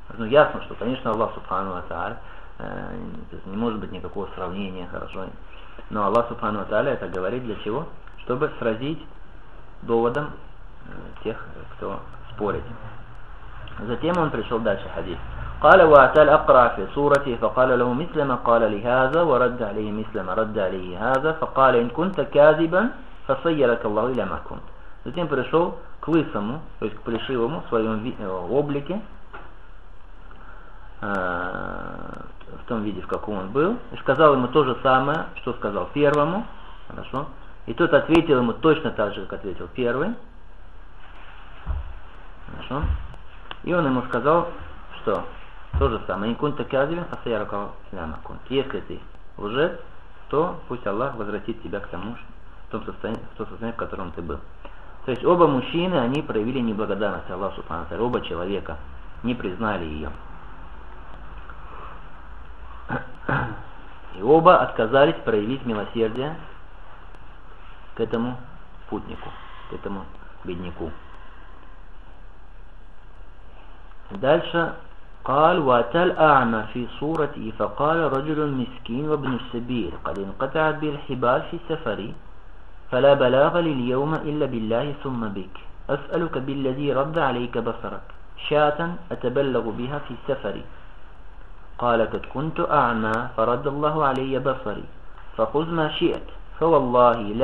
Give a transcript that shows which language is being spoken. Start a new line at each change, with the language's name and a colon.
Russian: Ну ясно, что, конечно, Аллах субхану ва тааля, не может быть никакого сравнения, хорошо? Но Аллах субхану ва тааля это говорит для чего? Чтобы сразить доводом тех, кто спорит. Затем он пришел дальше хадис.
Arabic: قال وأتال أقرأ في سورته فقال له مثل ما قال لي هذا ورد عليه مثل ما رد عليه هذا فقال إن كنت كاذبا فصيرك الله إلى ما كنت.
Russian: Затем пришел к лысому, то есть к плешивому в своем облике, в том виде, в каком он был, и сказал ему то же самое, что сказал первому. Хорошо. И тот ответил ему точно так же, как ответил первый. Хорошо. И он ему сказал, что то же самое.
Arabic: Инкунта кязвин, асаярака лямакун.
Russian: Если ты лжец, то пусть Аллах возвратит тебя к тому, в том состоянии, в котором ты был. То есть оба мужчины, они проявили неблагодарность Аллаху субхана ва тааля. Оба человека не признали ее. И оба отказались проявить милосердие к этому путнику, к этому бедняку. Дальше.
Arabic: قال واتل أعمى في صورته فقال رجل مسكين وابن السبيل قد انقطعت به الحبال في سفري فلا بلاغ لي اليوم إلا بالله ثم بك أسألك بالذي رد عليك بصرك شاة أتبلغ بها في سفري قال قد كنت أعمى فرد الله علي بصري فخذ ما شئت فوالله